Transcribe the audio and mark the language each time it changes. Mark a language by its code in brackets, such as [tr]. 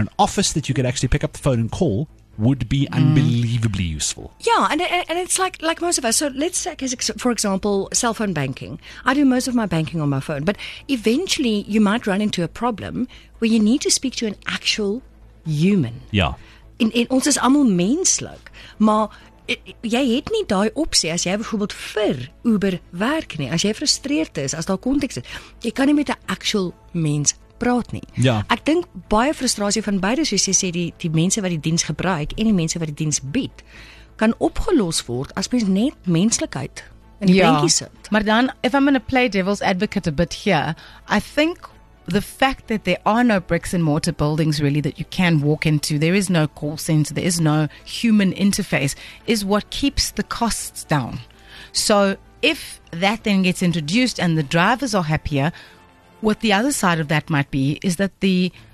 [en] An office that you could actually pick up the phone and call would be unbelievably useful. Yeah, and it's like most of us. So let's take, for example, cell phone banking. I do most of my banking on my phone, but eventually you might run into a problem where you need to speak to an actual human. Yeah. [af] In ons is almal mens, like, maar jy het nie daai opsie as jy byvoorbeeld vir Uber werk nie. As jy frustreerd is, as daar konteks is, jy kan nie met 'n actual mens praat nie. Ja. Ek dink baie frustrasie van beide, soos jy sê, die mense wat die diens gebruik en die mense wat die diens bied, kan opgelos word as mens net menslikheid in die prentjie sit. Maar dan, [en] if I'm going to play devil's advocate a bit here, I think the fact that there are no bricks and mortar buildings really that you can walk into, there is no call center, there is no human interface, is what keeps the costs down. So if that then gets introduced and the drivers are happier, what the other side of that might be is that the